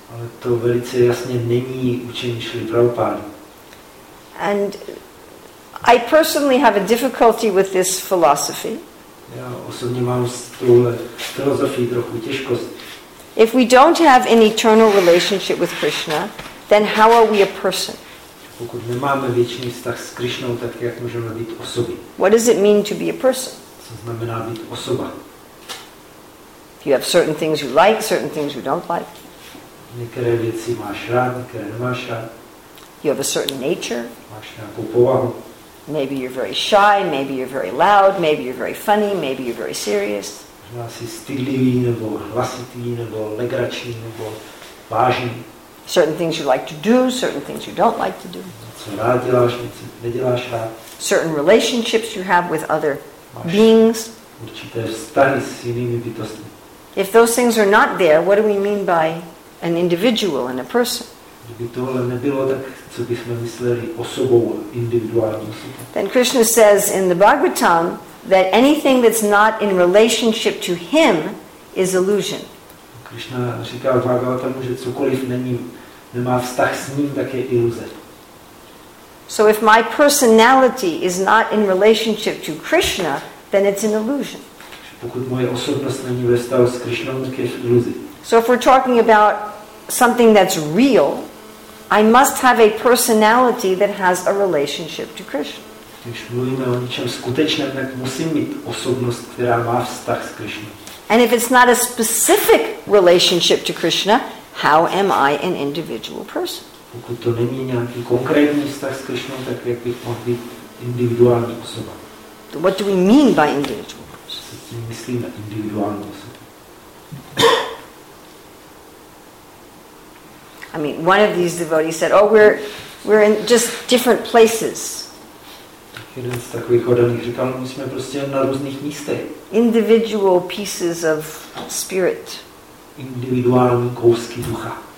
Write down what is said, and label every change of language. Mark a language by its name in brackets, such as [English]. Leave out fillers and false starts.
[Czech] Ale to velice jasně není učení Srila Prabhupada. [English] And I personally have a difficulty with this philosophy. [Czech] Já osobně mám s touhle filozofií trochu těžkost. [English] If we don't have an eternal relationship with Krishna, then how are we a person? [Czech] Pokud nemáme věčný vztah s Krishnou, tak jak můžeme být osoby? [English] What does it mean to be a person? [Czech] Co znamená být osoba? [English] You have certain things you like, certain things you don't like. [Czech] Některé věci máš rád, některé nemáš rád. [English] You have a certain nature. [Czech] Máš nějakou povahu. [English] Maybe you're very shy, maybe you're very loud, maybe you're very funny, maybe you're very serious. [Czech] Možná jsi stydlivý, nebo hlasitý, nebo legrační, nebo vážný. [English] Certain things you like to do, certain things you don't like to do. [Czech] Co rád děláš, co neděláš rád. [English] Certain relationships you have with other beings. [Czech] Určité vztahy s jinými bytostmi. [English] If those things are not there, what do we mean by an individual and a person? [Czech] Kdyby tohle nebylo, tak co bychom mysleli osobou, individuální osobou? [English] Then Krishna says in the Bhagavatam that anything that's not in relationship to him is illusion. [Czech] Krishna říká v Bhagavatamu, že cokoliv nemá vztah s ním, tak je iluze. [English] So if my personality is not in relationship to Krishna, then it's an illusion. [Czech] Pokud moje osobnost není ve vztahu s Krishnou, tak je iluze. [English] So if we're talking about something that's real, I must have a personality that has a relationship to Krishna. [Czech] Když mluvíme o něčem skutečném, tak musím mít osobnost, která má vztah s Krishnou. [English] And if it's not a specific relationship to Krishna, how am I an individual person? [Czech] Pokud to není nějaký konkrétní vztah s Krishnou, tak jak bych mohl být individuální osoba? [English] What do we mean by individual? [Czech] Myslím na individuální osobu. [English] I mean, one of these devotees said, "Oh, we're in just different places." [Czech] Jeden z takových oddaných říkal, my jsme prostě na různých místech. [English] Individual pieces of spirit. [Czech] Individuální kousky ducha.